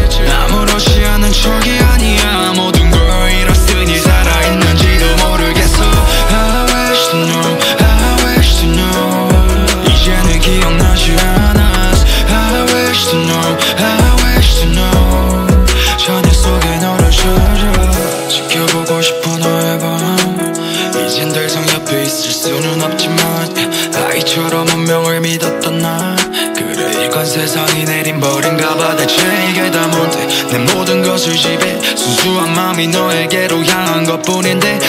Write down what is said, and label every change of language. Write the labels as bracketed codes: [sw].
[ko] 아무렇지 않은 척이 아니야. 모든 걸 잃었으니 살아있는지도 모르겠어. [en] I wish to know, I wish to know. [ko] 이제는 기억나지 않아. [en] I wish to know, I wish to know. [ko] 전의 속에 너를 찾아 지켜보고 싶어 너의 밤. 이젠 더 이상 옆에 있을 수는 없지만 아이처럼 운명을 믿었던 나. 이건 세상이 내린 벌인가 봐. 대체 이게 다 뭔데. 내 모든 것을 지배. 순수한 마음이 너에게로 향한 것뿐인데.